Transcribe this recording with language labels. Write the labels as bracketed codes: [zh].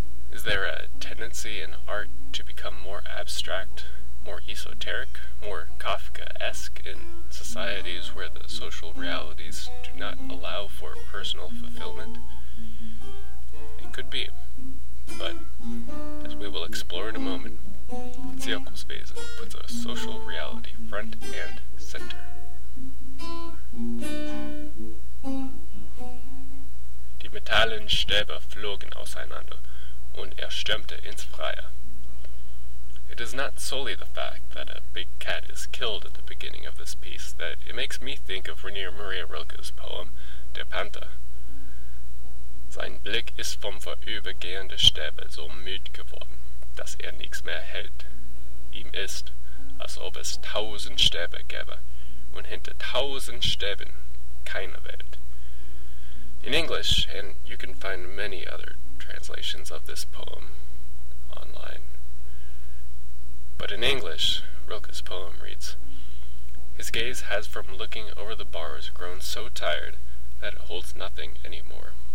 [en] Is there a tendency in art to become more abstract, more esoteric, more Kafkaesque in societies where the social realities do not allow for personal fulfillment? It could be, but as we will explore in a moment, Zirkuswesen puts a social reality front and center. [de] Die metallenen Stäbe flogen auseinander, und er stürmte ins Freie. [en] It is not solely the fact that a big cat is killed at the beginning of this piece that it makes me think of Rainer Maria Rilke's poem, Der Panther. [de] Sein Blick ist vom vorübergehenden Stäbe so müd geworden, dass nichts mehr hält. Ihm ist, als ob es tausend Stäbe gäbe, und hinter tausend Stäben keine Welt. [en] In English, and you can find many other translations of this poem online. But in English, Rilke's poem reads, "His gaze has from looking over the bars grown so tired that it holds nothing anymore.